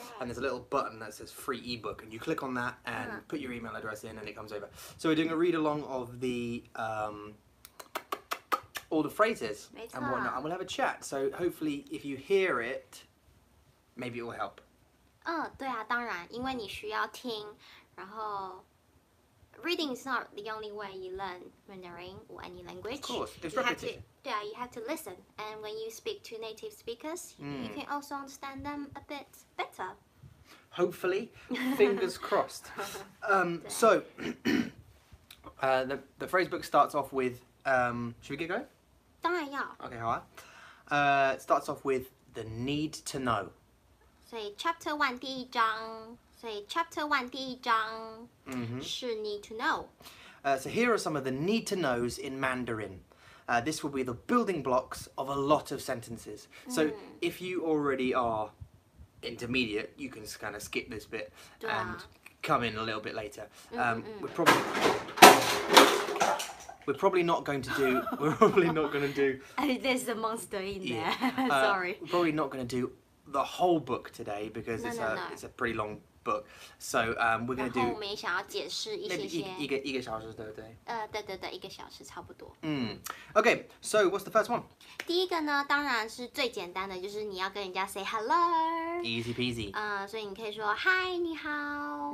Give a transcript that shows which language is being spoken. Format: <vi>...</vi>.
<en>And there's a little button that says free ebook and you click on that and put your email address in and it comes over. So we're doing a read along of the all the phrases and whatnot. And we'll have a chat. So hopefully if you hear it, maybe it will help.</en> <zh>对啊，当然，因为你需要听，然后。</zh> <en>Reading is not the only way you learn Mandarin or any language. Of course, it's repetition. Yeah, you have to listen. And when you speak to native speakers, you can also understand them a bit better. Hopefully. Fingers crossed. So, the phrase book starts off with... should we get going?</en> <zh>当然要。</zh> <en>Okay,</en> <zh>好啊。</zh> <en>It starts off with the need to know. So, chapter 1,</en> <zh>第一章。</zh> <en>So chapter 1,</en> <zh>第一章是</zh> <en>need to know. So here are some of the need to knows in Mandarin. This will be the building blocks of a lot of sentences. So if you already are intermediate, you can kind of skip this bit and come in a little bit later. We're probably not going to do... There's a monster in there. Sorry. We're probably not going to do the whole book today because it's a pretty long book. So we're going to do...</en> <zh>然后我们也想要解释一些些。一个小时，对不对？对对对，一个小时差不多。</zh> <en>Okay, so what's the first one?</en> <zh>第一个呢，当然是最简单的，就是你要跟人家</zh> <en>say hello. Easy peasy.</en> <zh>所以你可以说</zh> <en>hi,</en> <zh>你好。</zh>